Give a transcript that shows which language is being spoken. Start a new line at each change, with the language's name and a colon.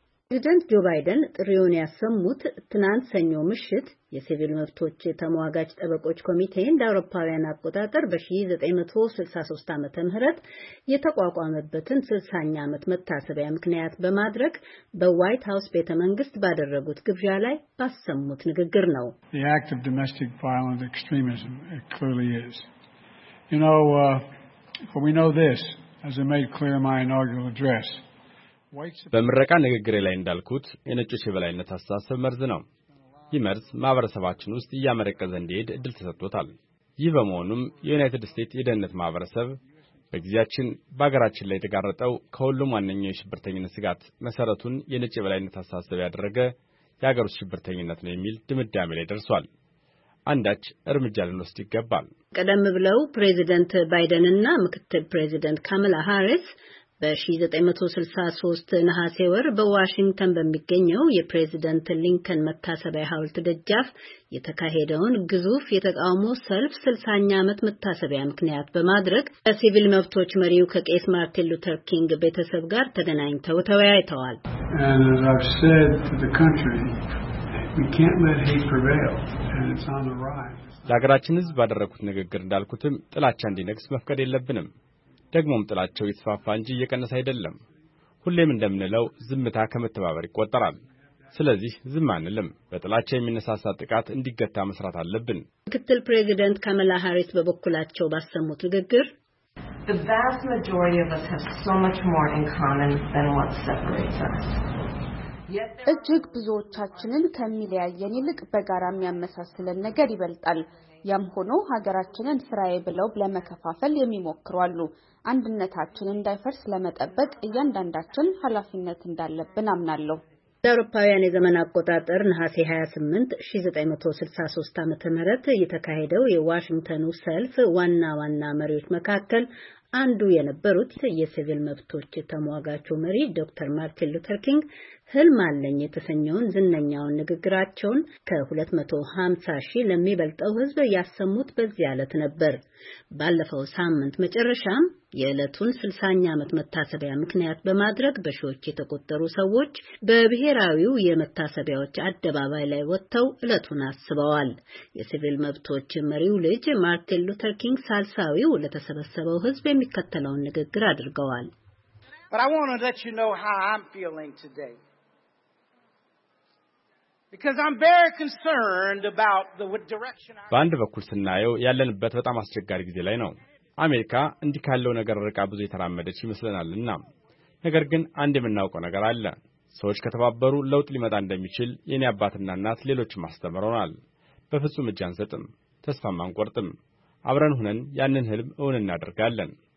Amharic: ፕሬዚደንት ጆ ባይደን ጥሪውን ያሰሙት ትናንት ሰኞ ምሽት የሲቪል መብቶች ተሟጋች ጠበቆች ኮሚቴ እንደ አውሮፓውያን አቆጣጠር በ1963 ዓመተ ምህረት የተቋቋመበትን 60ኛ ዓመት መታሰቢያ ምክንያት በማድረግ በዋይት ሃውስ ቤተ መንግስት ባደረጉት ግብዣ ላይ ባሰሙት ንግግር ነው።
English: The act of domestic violent extremism it clearly is. But we know this as I made clear in my inaugural address.
Amharic: በመረቃ ንግግሬ ላይ እንዳልኩት የነጭ የበላይነት አስተሳሰብ መርዝ ነው። ይህ መርዝ ማህበረሰባችን ውስጥ ያመረቀዘ እንዲሄድ እድል ተሰጥቷል። ይህ በመሆኑም የዩናይትድ ስቴትስ የደህንነት ማህበረሰብ በጊዜያችን በአገራችን ላይ የተጋረጠው ከሁሉም ዋነኛው የሽብርተኝነት ስጋት መሰረቱን የነጭ የበላይነት አስተሳሰብ ያደረገ የሀገር ውስጥ ሽብርተኝነት ነው የሚል ድምዳሜ ላይ ደርሷል። አንዳች እርምጃ ልንወስድ ይገባል። ቀደም ብለው ፕሬዚደንት ባይደንና ምክትል ፕሬዚደንት ካማላ ሃሪስ በ1963 ነሐሴ ወር በዋሽንግተን በሚገኘው የፕሬዝደንት ሊንከን መታሰቢያ ሐውልት ደጃፍ የተካሄደውን ግዙፍ የተቃውሞ ሰልፍ 60ኛ ዓመት መታሰቢያ ምክንያት በማድረግ ከሲቪል መብቶች መሪው ከቄስ ማርቲን ሉተር ኪንግ ቤተሰብ ጋር ተገናኝተው ተወያይተዋል።
English: And as I've said to the country, we can't let hate prevail and it's on the rise.
Amharic: ለሀገራችን ህዝብ ባደረኩት ንግግር እንዳልኩትም ጥላቻ እንዲነግስ መፍቀድ የለብንም። ደግሞም ጥላቻው የተስፋፋ እንጂ የቀነሰ አይደለም። ሁሌም እንደምንለው ዝምታ ከመተባበር ይቆጠራል። ስለዚህ ዝም አንልም። በጥላቻ የሚነሳሳ ጥቃት እንዲገታ መስራት አለብን። ምክትል ፕሬዚደንት ካማላ ሃሪስ በበኩላቸው ባሰሙት ንግግር
English: The vast majority of us have so much more in common than what separates us.
Amharic: እጅግ ብዙዎቻችንን ከሚለያየን ይልቅ በጋራ የሚያመሳስለን ነገር ይበልጣል። ያም ሆኖ ሀገራችንን ፍራዬ ብለው ለመከፋፈል የሚሞክሩ አሉ። አንድነታችን እንዳይፈርስ ለመጠበቅ እያንዳንዳችን ኃላፊነት እንዳለብን አምናለሁ። በአውሮፓውያን የዘመን አቆጣጠር ነሐሴ 28 1963 ዓ.ም የተካሄደው የዋሽንግተኑ ሰልፍ ዋና መሪዎች መካከል አንዱ የነበሩት የሲቪል መብቶች ተሟጋቹ መሪ ዶክተር ማርቲን ሉተር ኪንግ ህልም አለኝ የተሰኘውን ዝነኛውን ንግግራቸውን ከ250,000 ለሚበልጠው ህዝብ ያሰሙት በዚያ ዕለት ነበር። ባለፈው ሳምንት መጨረሻም የዕለቱን 60ኛ ዓመት መታሰቢያ ምክንያት በማድረግ በሺዎች የተቆጠሩ ሰዎች በብሔራዊው የመታሰቢያዎች አደባባይ ላይ ወጥተው ዕለቱን አስበዋል። የሲቪል መብቶች መሪው ልጅ ማርቲን ሉተር ኪንግ ሳልሳዊው ለተሰበሰበው ህዝብ የሚከተለውን ንግግር አድርገዋል።
English: But I want to let you know how I'm feeling today. Because I'm very concerned about the direction I
Amharic: ባንድ በኩል ስናየው ያለንበት በጣም አስቸጋሪ ጊዜ ላይ ነው። አሜሪካ እንዲካለው ነገር ረቃ ብዙ የተራመደች ይመስላልና ነገር ግን አንድ የምናውቀው ነገር አለ። ሰዎች ከተባበሩ ለውጥ ሊመጣ እንደሚችል የኔ አባትና እናት ሌሎችም አስተምረውናል። በፍጹም እጃንሰጥም ተስፋም አንቆርጥም። አብረን ሆነን ያንን ህልም እውን እናደርጋለን።